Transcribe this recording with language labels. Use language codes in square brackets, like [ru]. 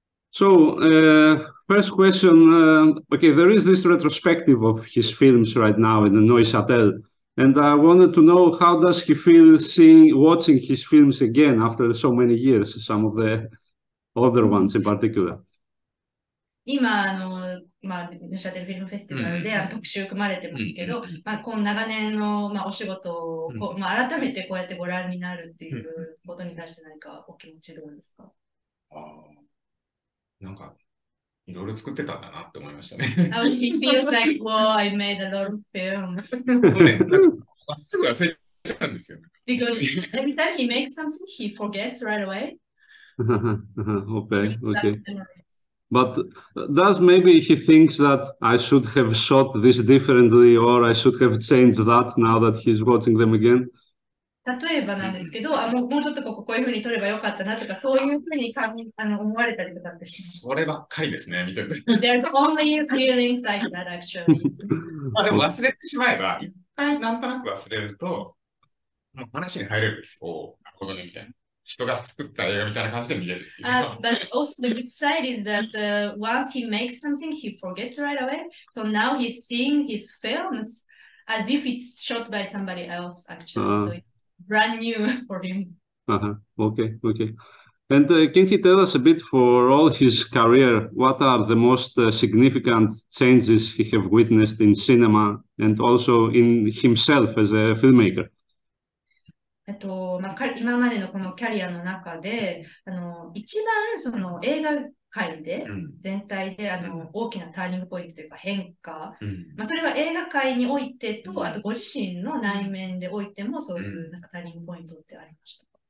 [en] So, first question, there is this retrospective of his films right now in Neuchatel. And I wanted to know, how does he feel seeing watching his films again after so many years, some of the other ones in particular? [ja] 今、ヌーシャテルフィルムフェスティバルで特集組まれてますけど、この長年の、お仕事を、改めてこうやってご覧になるっていうことに対して何かお気持ちどうですか？なんかいろいろ作ってたんだなって思いましたね。 [en] It feels like, wow, I made a lot of film. [ja] もうね、なんか、まっすぐ忘れちゃうんですよ、ね、 [en] Because every time he makes something, he forgets right away. Brings up memories. But does maybe he thinks that I should have shot this differently, or I should have changed that now that he's watching them again? [ja] 例えばなんですけど、もうちょっとこういうふうに撮ればよかったなとか、そういうふうに思われたりとかって。そればっかりですね、見てて。 [en] There's only feelings like that, actually. [ja] まあでも忘れてしまえば、一回なんとなく忘れると、もう話に入れるんですよ。このねみたいな。人が作った映画みたいな感じで見れるっていうか。 [en] But also the good side is that once he makes something, he forgets right away. So now he's seeing his films as if it's shot by somebody else, actually. So it's brand new for him. And can he tell us a bit for all his career, what are the most significant changes he have witnessed in cinema and also in himself as a filmmaker? [ja] 今までのこのキャリアの中で、一番その映画界で全体で大きなターニングポイントというか変化、それは映画界においてと、あとご自身の内面でおいても、そういうターニングポイントってありました